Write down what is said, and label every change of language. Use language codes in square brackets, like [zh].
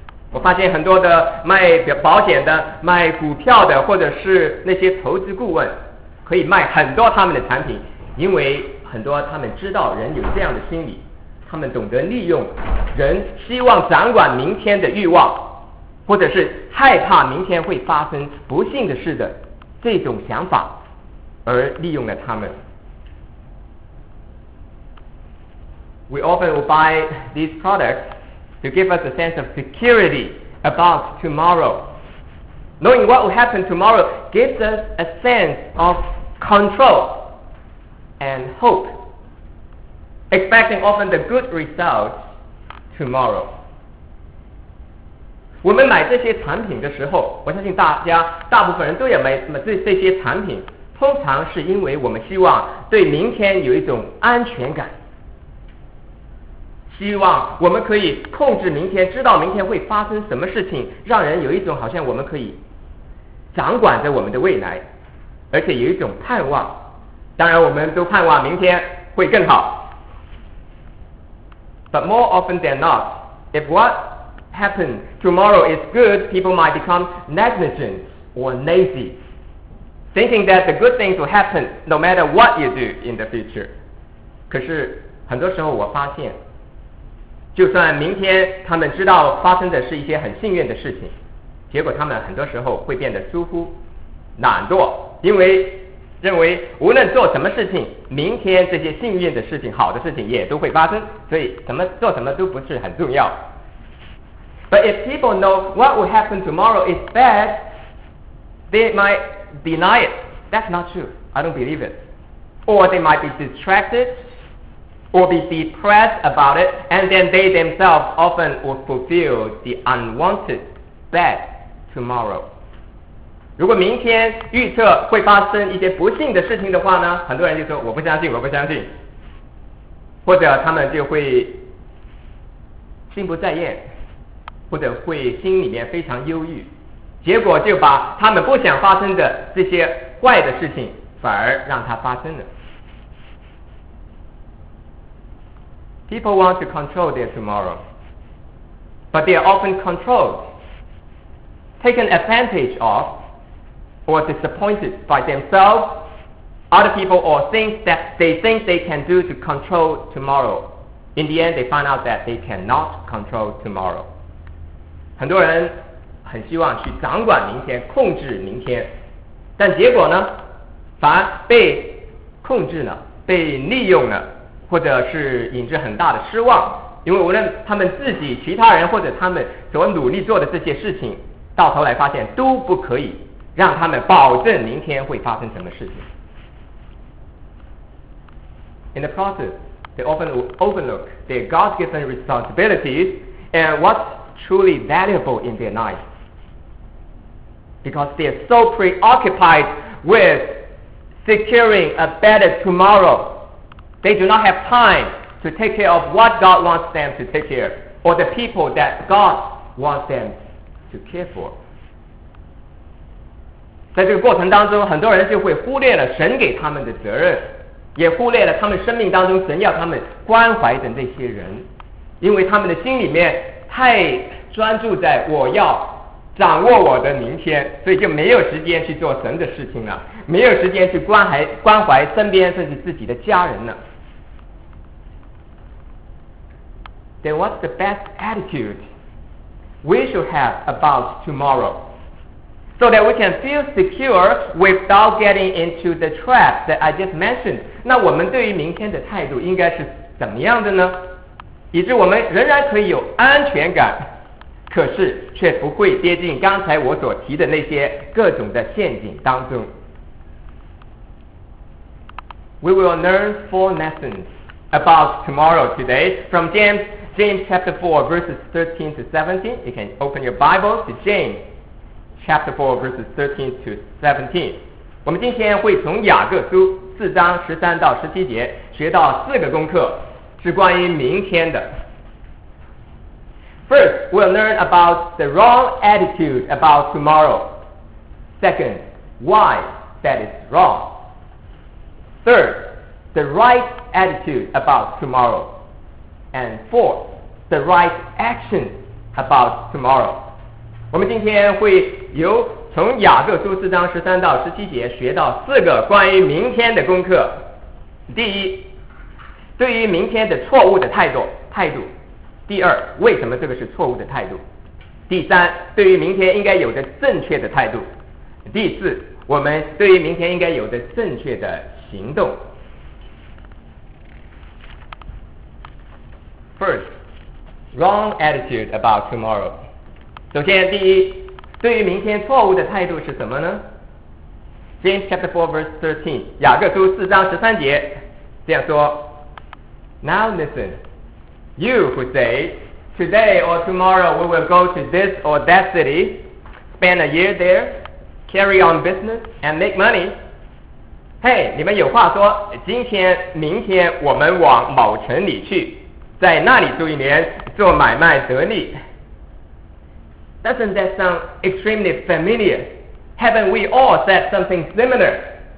[zh] 我发现很多的卖保险的、卖股票的，或者是那些投资顾问，可以卖很多他们的产品，因为很多他们知道人有这样的心理，他们懂得利用人希望掌管明天的欲望，或者是害怕明天会发生不幸的事的这种想法，而利用了他们。 [en] We often will buy these products to give us a sense of security about tomorrow. Knowing what will happen tomorrow gives us a sense of control. And hope, expecting often the good results tomorrow. [zh] 我们买这些产品的时候，我相信大家大部分人都要买这些产品，通常是因为我们希望对明天有一种安全感，希望我们可以控制明天，知道明天会发生什么事情，让人有一种好像我们可以掌管着我们的未来，而且有一种盼望。当然我们都盼望明天会更好。 [en] But more often than not, if what happens tomorrow is good, people might become negligent or lazy, thinking that the good things will happen no matter what you do in the future. [zh] 可是很多时候我发现，就算明天他们知道发生的是一些很幸运的事情，结果他们很多时候会变得疏忽、懒惰，因为认为无论做什么事情，明天这些幸运的事情、好的事情也都会发生，所以什么做什么都不是很重要。 [en] But if people know what will happen tomorrow is bad, they might deny it. That's not true. I don't believe it. Or they might be distracted, or be depressed about it, and then they themselves often will fulfill the unwanted bad tomorrow. [zh] 如果明天预测会发生一些不幸的事情的话呢，很多人就说我不相信，我不相信，或者他们就会心不在焉，或者会心里面非常忧郁，结果就把他们不想发生的这些坏的事情反而让它发生了。 [en] People want to control their tomorrow, but they are often controlled, taken advantage ofor disappointed by themselves, other people, or things that they think they can do to control tomorrow, In the end, they find out that they cannot control tomorrow. [zh] 很多人很希望去掌管明天，控制明天，但结果呢，反而被控制了，被利用了，或者是引致很大的失望。因为无论他们自己、其他人或者他们所努力做的这些事情，到头来发现都不可以让他们保证明天会发生什么事情。 [en] In the process, they often overlook their God-given responsibilities and what's truly valuable in their life. Because they're so preoccupied with securing a better tomorrow, they do not have time to take care of what God wants them to take care of, or the people that God wants them to care for. [zh] 在这个过程当中，很多人就会忽略了神给他们的责任，也忽略了他们生命当中神要他们关怀的那些人，因为他们的心里面太专注在我要掌握我的明天，所以就没有时间去做神的事情了，没有时间去关怀身边甚至自己的家人了。 [en] Then what's the best attitude we should have about tomorrow so that we can feel secure without getting into the trap that I just mentioned? [zh] 那我们对于明天的态度应该是怎么样的呢？以致我们仍然可以有安全感，可是却不会跌进刚才我所提的那些各种的陷阱当中。 [en] We will learn four lessons about tomorrow today from James chapter 4 verses 13 to 17. You can open your Bible to James chapter 4 verses 13 to 17. [zh] 我们今天会从雅各书四章十三到十七节学到四个功课，是关于明天的。 [en] First, we'll learn about the wrong attitude about tomorrow. Second, why that is wrong. Third, the right attitude about tomorrow. And fourth,the right action about tomorrow. [zh] 我们今天会由从雅各书四章十三到十七节学到四个关于明天的功课。第一，对于明天的错误的态度。第二，为什么这个是错误的态度。第三，对于明天应该有的正确的态度。第四，我们对于明天应该有的正确的行动。 [en] FirstWrong attitude about tomorrow. [zh] 首先，第一，对于明天错误的态度是什么呢？ [en] James chapter 4 verse 13, [zh] 雅各书四章十三节，这样说， [en] Now listen, you who say, today or tomorrow we will go to this or that city, spend a year there, carry on business, and make money. [zh] Hey, 你们有话说，今天、明天我们往某城里去，在那里住一年，做买卖得利。 [en] Doesn't that sound extremely familiar? Haven't we all said something similar?